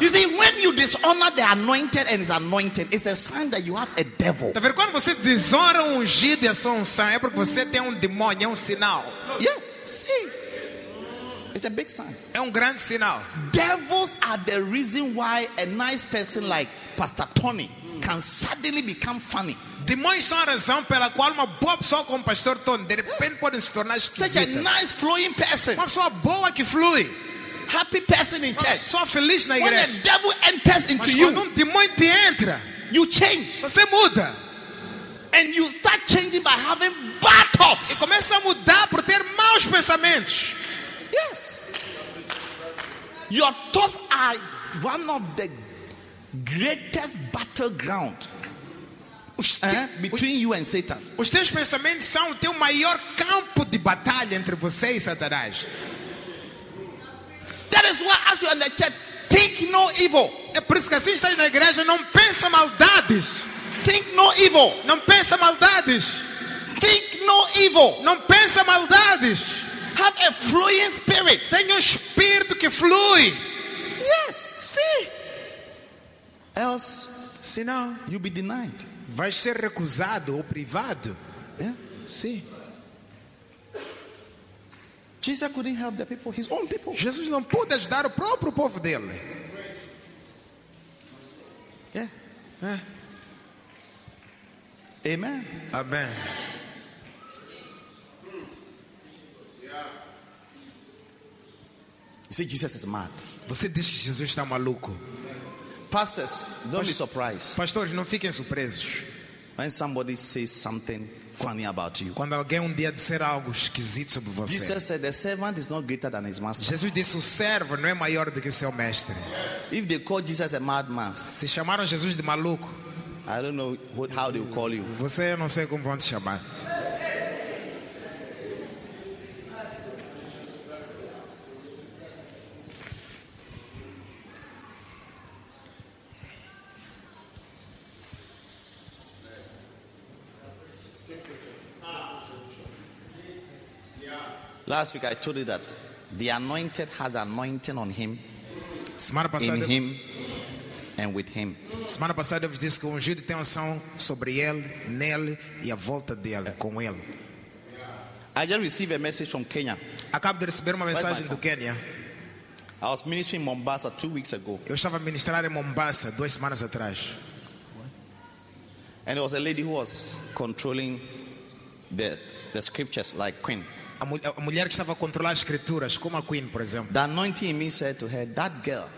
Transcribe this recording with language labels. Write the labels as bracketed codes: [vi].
[en] You see, when you dishonor the anointed and is anointed, it's a sign that you have a devil. [pt] Tá vendo? Quando você desonra um ungido e é só um santo, é porque você tem um demônio, é um sinal. [en] Yes. [pt] Sim. [en] It's a big sign. [pt] É um grande sinal. [en] Devils are the reason why a nice person like Pastor Tony can suddenly become funny. [pt] Demônios são a razão pela qual uma boa pessoa como Pastor Tony de repente pode se tornar esquisita. [en] Such a nice flowing person. [pt] Uma pessoa boa que flui. [en] Happy person in church. [pt] Uma pessoa feliz na igreja. [en] When the devil enters into [pt] Mas quando um demônio te entra, [en] you change. [pt] Você muda. [en] And you start changing by having bad thoughts. [pt] E começa a mudar por ter maus pensamentos. [en] Yes. Your thoughts are one of the greatest battleground between you and Satan. [pt] Os teus pensamentos são o teu maior campo de batalha entre você e Satanás. [en] That is why as you are in the church, think no evil. [pt] É por isso que assim estás na igreja, não pensa maldades. [en] Think no evil. [pt] Não pensa maldades. [en] Think no evil. [pt] Não pensa maldades. [en] Have a fluent spirit. [pt] Tenha espírito que flui. [en] Yes, see. Else, [pt] se não, [en] you'll be denied. [pt] Vai ser recusado ou privado. [en] Yeah, see. Jesus couldn't help the people, his own people. [pt] Jesus não pôde ajudar o próprio povo dele. [en] Yeah. Amen. [pt] Amen. [en] You say Jesus is mad. [pt] Você diz que Jesus está maluco. [en] Pastors, don't be surprised. [pt] Pastores, não fiquem surpresos. [en] When somebody says something funny about you. [pt] Quando alguém dia disser algo esquisito sobre você. [en] Jesus said the servant is not greater than his master. [pt] Jesus disse o servo não é maior do que o seu mestre. [en] If they call Jesus a madman. [pt] Se chamaram Jesus de maluco. [en] I don't know how they call you. [pt] Você não sei como vão te chamar. [en] Last week I told you that the anointed has anointing on him, [pt] semana passada, [en] in him, and with him. [pt] Semana passada eu disse que o ungido tem unção sobre ele, nele e à volta dele, com ele. [en] I just received a message from Kenya. [pt] Acabo de receber uma mensagem do Kenya. [en] I was ministering in Mombasa 2 weeks ago. [pt] Eu estava a ministrar em Mombasa 2 semanas atrás. [en] And there was a lady who was controlling the scriptures like queen. [pt] A mulher que estava a controlar as escrituras, como a Queen, por exemplo. [en] The anointing in me said to her, that girl.